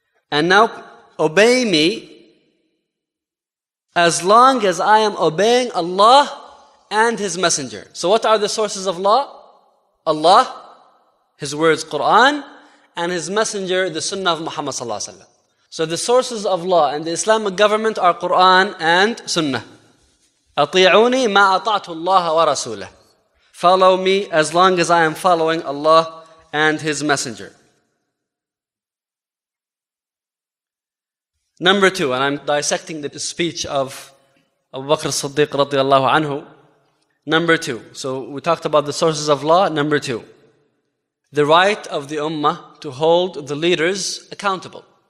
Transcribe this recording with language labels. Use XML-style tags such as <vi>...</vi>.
<en>And now, obey me as long as I am obeying Allah and His Messenger. So what are the sources of law? Allah, His words, Quran, and His Messenger, the Sunnah of Muhammad sallallahu alayhi wa sallam. So the sources of law and the Islamic government are Quran and Sunnah.</en> <ar>أطيعوني ما أطعت الله ورسوله.</ar> <en>Follow me as long as I am following Allah and His Messenger. Number two, and I'm dissecting the speech of Abu Bakr as-Siddiq radiallahu anhu. Number two, so we talked about the sources of law. Number two, the right of the ummah to hold the leaders accountable.</en>